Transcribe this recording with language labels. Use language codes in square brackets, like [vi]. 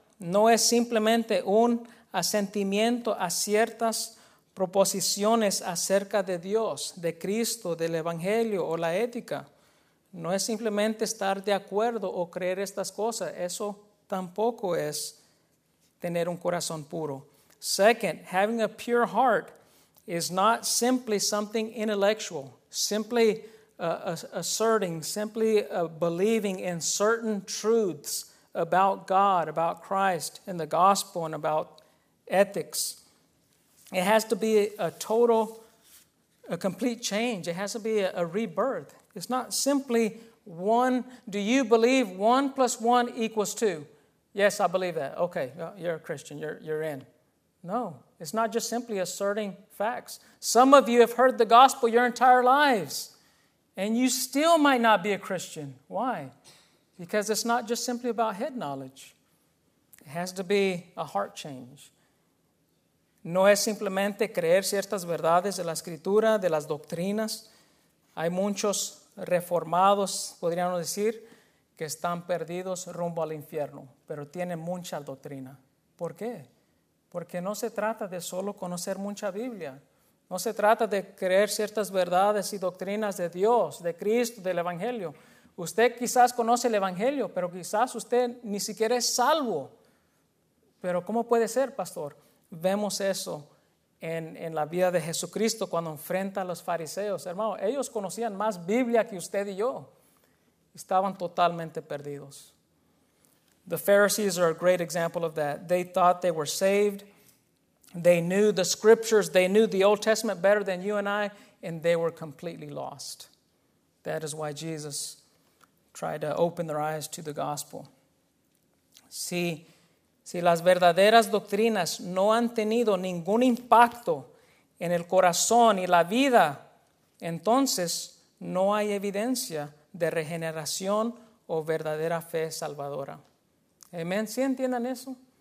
[es] No es simplemente un asentimiento a ciertas proposiciones acerca de Dios, de Cristo, del Evangelio o la ética. No es simplemente estar de acuerdo o creer estas cosas. Eso tampoco es tener un corazón puro. [en] Second, having a pure heart is not simply something intellectual, simply asserting, simply believing in certain truths about God, about Christ, and the gospel, and about ethics. It has to be a complete change. It has to be a rebirth. It's not simply one. Do you believe 1 + 1 = 2? Yes, I believe that. Okay, you're a Christian. You're in. No, it's not just simply asserting facts. Some of you have heard the gospel your entire lives, and you still might not be a Christian. Why? Because it's not just simply about head knowledge. It has to be a heart change. [es] No es simplemente creer ciertas verdades de la escritura, de las doctrinas. Hay muchos reformados, podríamos decir, que están perdidos rumbo al infierno, pero tienen mucha doctrina. ¿Por qué? Porque no se trata de solo conocer mucha Biblia. No se trata de creer ciertas verdades y doctrinas de Dios, de Cristo, del Evangelio. Usted quizás conoce el Evangelio, pero quizás usted ni siquiera es salvo. Pero ¿cómo puede ser, pastor? Vemos eso en la vida de Jesucristo cuando enfrenta a los fariseos. Hermano, ellos conocían más Biblia que usted y yo. Estaban totalmente perdidos. [en] The Pharisees are a great example of that. They thought they were saved. They knew the scriptures. They knew the Old Testament better than you and I. And they were completely lost. That is why Jesus tried to open their eyes to the gospel. [es] Si las verdaderas doctrinas no han tenido ningún impacto en el corazón y la vida, entonces no hay evidencia de regeneración o verdadera fe salvadora. Amén. ¿Sí entienden eso?